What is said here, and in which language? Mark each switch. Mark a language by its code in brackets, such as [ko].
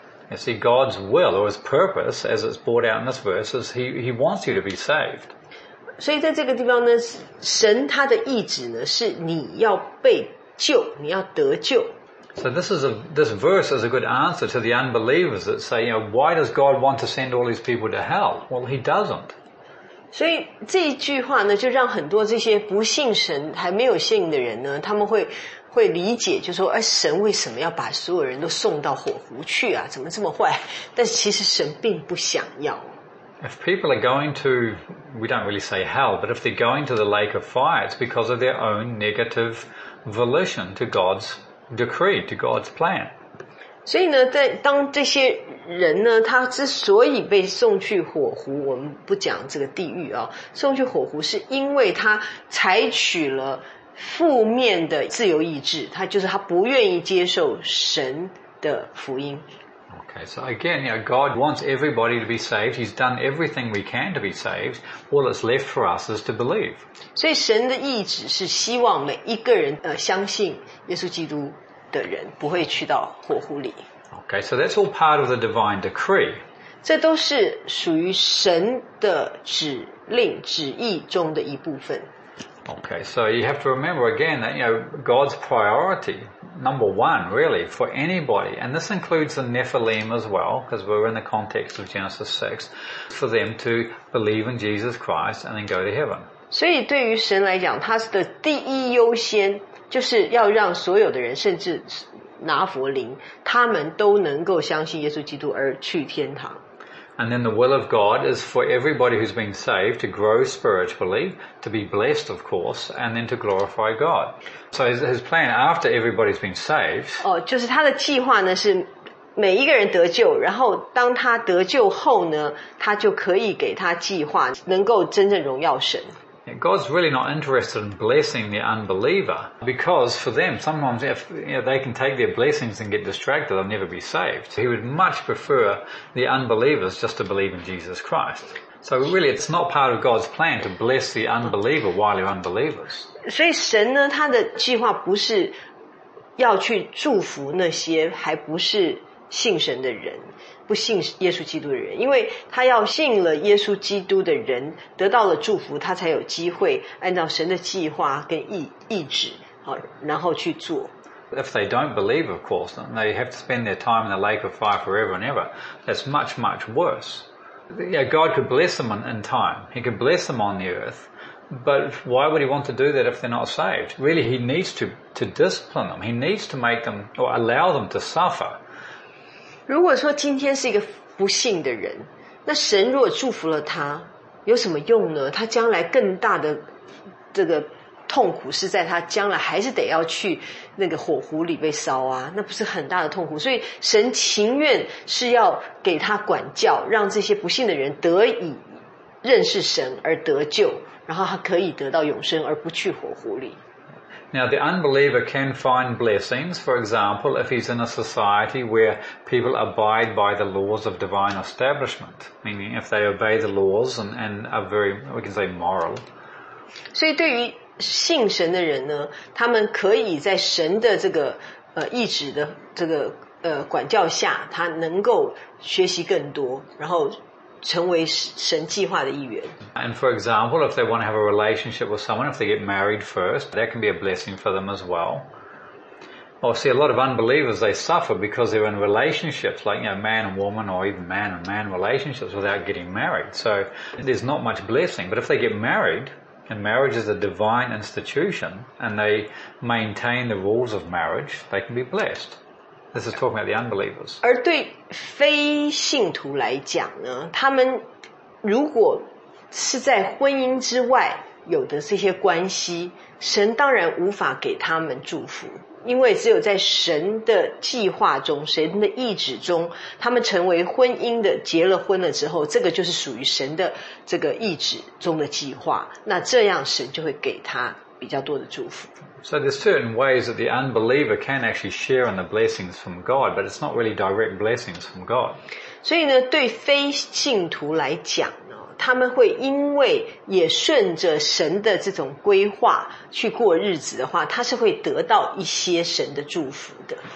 [en] You see, God's will or His purpose, as it's brought out in this verse, is He wants you to be saved. [zh] 所以在这个地方呢，神他的意志呢，是你要被救，你要得救。 [en] So this verse is a good answer to the unbelievers that say, you know, why does God want to send all these people to hell? Well, he doesn't. [zh] 所以这一句话呢，就让很多这些不信神还没有信的人呢，他们会理解，就说，哎，神为什么要把所有人都送到火湖去啊？怎么这么坏？但其实神并不想要。 [en] If people are going to, we don't really say hell, but if they're going to the lake of fire, it's because of their own negative volition to God'sDecree to God's plan. [zh] 所以呢，在当这些人呢，他之所以被送去火湖，我们不讲这个地狱啊，送去火湖是因为他采取了负面的自由意志，他就是他不愿意接受神的福音。 [en] Okay, so again, you know, God wants everybody to be saved. He's done everything we can to be saved. All that's left for us is to believe. [zh] 所以神的意志是希望每一个人相信耶稣基督的人不会去到火湖里。 [en] Okay, so that's all part of the divine decree. [zh] 这都是属于神的指令、旨意中的一部分。 [en] Okay, so you have to remember again that, you know, God's priority, number one, really, for anybody, and this includes the Nephilim as well, because we're in the context of Genesis 6, for them to believe in Jesus Christ and then go to heaven. [zh] 所以对于神来讲，他的第一优先就是要让所有的人，甚至拿弗林，他们都能够相信耶稣基督而去天堂。 [en] And then the will of God is for everybody who's been saved to grow spiritually, to be blessed, of course, and then to glorify God. So his plan after everybody's been saved. [zh] 哦，就是他的计划呢是每一个人得救，然后当他得救后呢，他就可以给他计划，能够真正荣耀神。 [en] God's really not interested in blessing the unbeliever because for them, sometimes if you know, they can take their blessings and get distracted, they'll never be saved. He would much prefer the unbelievers just to believe in Jesus Christ. So really, it's not part of God's plan to bless the unbeliever while they're unbelievers. [zh] 所以神呢，他的计划不是要去祝福那些还不是信神的人。不信耶稣基督的人，因为他要信了耶稣基督的人得到了祝福，他才有机会按照神的计划跟意志好，然后去做。 [en] If they don't believe, of course, then they have to spend their time in the lake of fire forever and ever. That's much, much worse. Yeah, God could bless them in time. He could bless them on the earth. But why would he want to do that if they're not saved? Really, he needs to discipline them. He needs to make them or allow them to suffer. [zh] 如果说今天是一个不信的人，那神若祝福了他，有什么用呢？他将来更大的这个痛苦是在他将来还是得要去那个火湖里被烧啊，那不是很大的痛苦。所以神情愿是要给他管教，让这些不信的人得以认识神而得救，然后他可以得到永生而不去火湖里。 [en] Now, the unbeliever can find blessings, for example, if he's in a society where people abide by the laws of divine establishment, meaning if they obey the laws and are very, we can say, moral. [zh] 所以对于信神的人呢，他们可以在神的这个意志的这个管教下，他能够学习更多，然后成为神计划的一员。 [en] And for example, if they want to have a relationship with someone, if they get married first, that can be a blessing for them as well. Or see, a lot of unbelievers, they suffer because they're in relationships, like, you know, man and woman, or even man and man relationships without getting married. So there's not much blessing. But if they get married, and marriage is a divine institution, and they maintain the rules of marriage, they can be blessed. This is talking about the unbelievers. [zh] 而对非信徒来讲呢，他们如果是在婚姻之外有的这些关系，神当然无法给他们祝福，因为只有在神的计划中，神的意志中，他们成为婚姻的，结了婚了之后，这个就是属于神的这个意志中的计划，那这样神就会给他比较多的祝福。 [en] So there's certain ways that the unbeliever can actually share in the blessings from God, but it's not really direct blessings from God. [zh] 所以呢，对非信徒来讲呢，他们会因为也顺着神的这种规划去过日子的话，他是会得到一些神的祝福的。